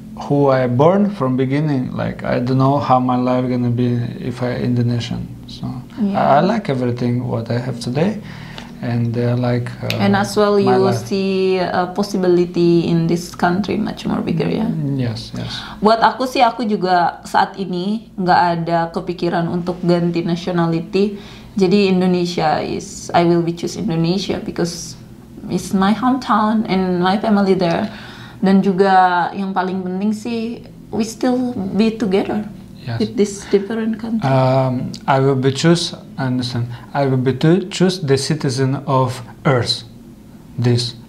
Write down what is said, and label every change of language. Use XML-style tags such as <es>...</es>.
<en>Who I born from beginning, like I don't know how my life gonna be if I Indonesian. So yeah. I like everything what I have today, and I like. And as well, you life. See a possibility in this country much more bigger, ya. Yeah? Yes.</en> <id>Buat aku sih, aku juga saat ini nggak ada kepikiran untuk ganti nationality. Jadi</id> <en>Indonesia is I will be choose Indonesia because it's my hometown and my family there.</en> <id>Dan juga yang paling penting sih,</id> <en>we still be together, yes. With this different country. I will be choose, I understand, I will be choose the citizen of Earth. This,</en>